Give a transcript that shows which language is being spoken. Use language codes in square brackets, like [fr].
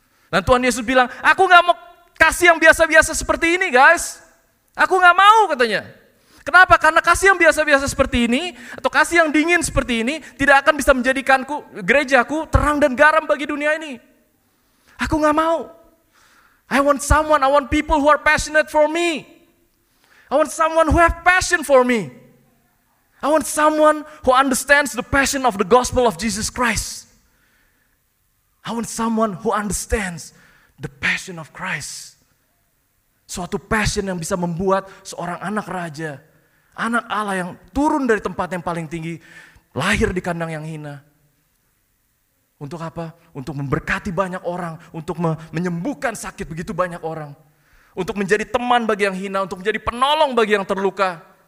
[id] Dan Tuhan Yesus bilang, aku gak mau kasih yang biasa-biasa seperti ini, guys. Aku gak mau, katanya. Kenapa? Karena kasih yang biasa-biasa seperti ini, atau kasih yang dingin seperti ini, tidak akan bisa menjadikanku, gerejaku, terang dan garam bagi dunia ini. Aku gak mau. [en] I want someone, I want people who are passionate for me. I want someone who have passion for me. I want someone who understands the passion of the gospel of Jesus Christ. I want someone who understands the passion of Christ. [id] Suatu passion yang bisa membuat seorang anak raja, anak Allah yang turun dari tempat yang paling tinggi, lahir di kandang yang hina. Untuk apa? Untuk memberkati banyak orang, untuk menyembuhkan sakit begitu banyak orang. Untuk menjadi teman bagi yang hina, untuk menjadi penolong bagi yang terluka.